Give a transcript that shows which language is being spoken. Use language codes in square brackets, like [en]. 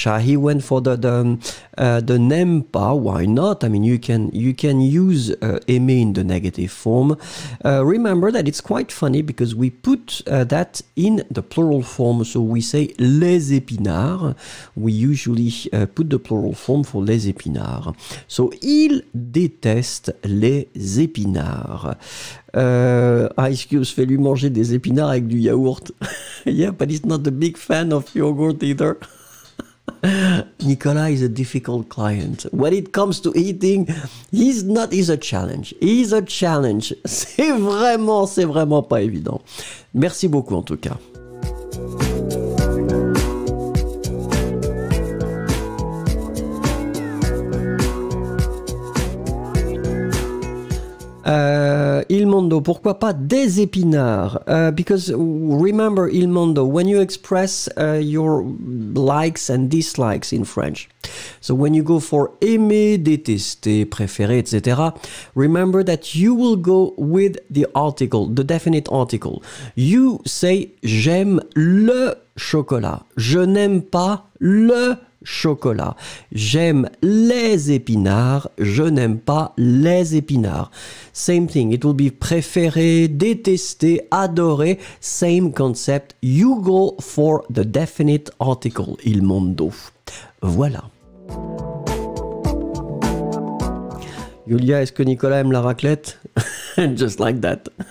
[en] He went for the n'aime pas. Why not? I mean, you can use aimer in the negative form. Remember that it's quite funny because we put that in the plural form. So we say les épinards. We usually put the plural form for les épinards. [fr] So il déteste les épinards. Excuse, fais lui manger des épinards avec du yaourt. [en] Yeah, but he's not a big fan of yogurt either. Nicolas is a difficult client. When it comes to eating, he's a challenge. He's a challenge. [fr] C'est vraiment pas évident. Merci beaucoup en tout cas. Euh, Il Mondo, pourquoi pas des épinards? [en] Because remember, Il Mondo, when you express your likes and dislikes in French, so when you go for aimer, détester, préférer, etc., remember that you will go with the article, the definite article. You say [fr] j'aime le chocolat. Je n'aime pas le chocolat. J'aime les épinards. Je n'aime pas les épinards. [en] Same thing. It will be préféré, détesté, adoré. Same concept. You go for the definite article. [fr] Il Mondo. Voilà. Julia, est-ce que Nicolas aime la raclette? [en] Just like that.